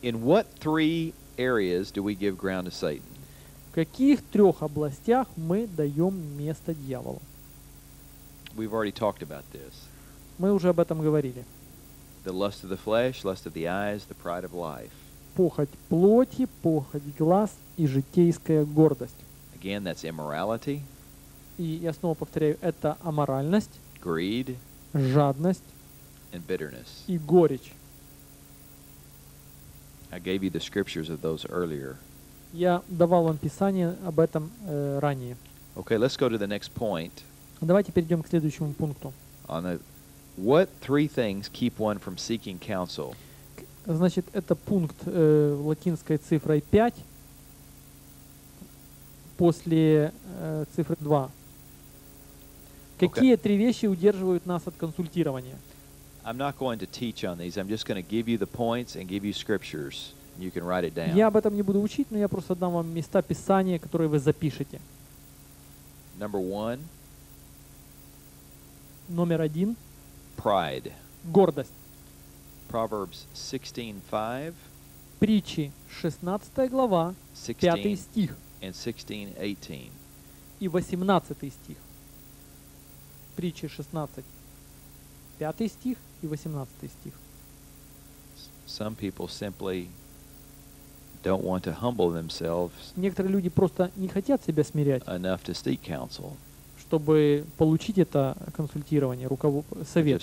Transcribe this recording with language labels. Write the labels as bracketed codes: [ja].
[en] In what three areas do we give ground to Satan? [ru] В каких трех областях мы даем место дьяволу? [en] We've already talked about this. [ru] Мы уже об этом говорили. [en] The lust of the flesh, lust of the eyes, the pride of life. [ru] Похоть плоти, похоть глаз и житейская гордость. [en] Again, that's immorality. [ru] И я снова повторяю, это аморальность, [en] greed, [ru] жадность [en] and bitterness. [ru] И горечь. [en] I gave you the scriptures of those earlier. [ru] Я давал вам писание об этом ранее. [en] Okay, let's go to the next point. [ru] Давайте перейдем к следующему пункту. [en] What three things keep one from seeking counsel? [ru] Значит, это пункт латинской цифрой 5 после цифры 2. Какие три вещи удерживают нас от консультирования? [en] I'm not going to teach on these. I'm just going to give you the points and give you scriptures. You can write it down. [ru] Я об этом не буду учить, но я просто дам вам места писания, которые вы запишете. [en] Number one. [ru] Номер один. [en] Pride. [ru] Гордость. [en] Proverbs 16:5. [ru] Притчи, 16 глава, 5 стих. [en] And 16:18. [ru] И 18 стих. Притчи 16, 5 стих и 18 стих. [en] Some people simply don't want to humble themselves. [ru] Некоторые люди просто не хотят себя смирять. [en] Enough to seek counsel. [ru] Чтобы получить это консультирование, совет.